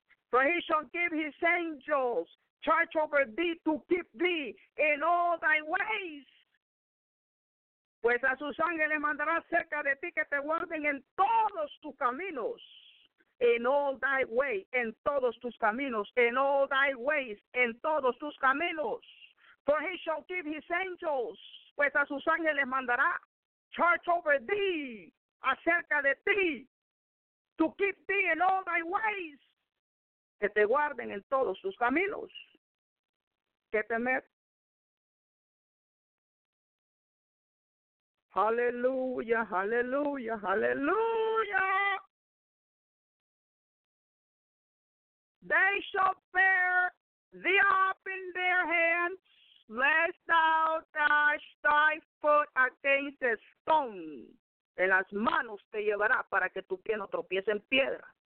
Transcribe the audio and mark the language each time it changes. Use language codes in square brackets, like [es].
[en] For he shall give his angels charge over thee to keep thee in all thy ways. [es] Pues a sus ángeles mandará cerca de ti que te guarden en todos tus caminos. [en] In all thy way, [es] en todos tus caminos, [en] in all thy ways, [es] en todos tus caminos. [en] For he shall give his angels, [es] pues a sus ángeles mandará, [en] charge over thee, [es] acerca de ti, [en] to keep thee in all thy ways, [es] que te guarden en todos tus caminos. Que temer. Aleluya, aleluya, aleluya. [en] They shall bear thee up in their hands, lest thou dash thy foot against a stone. [es] En las manos te llevará para que tu pie no tropiece en piedra.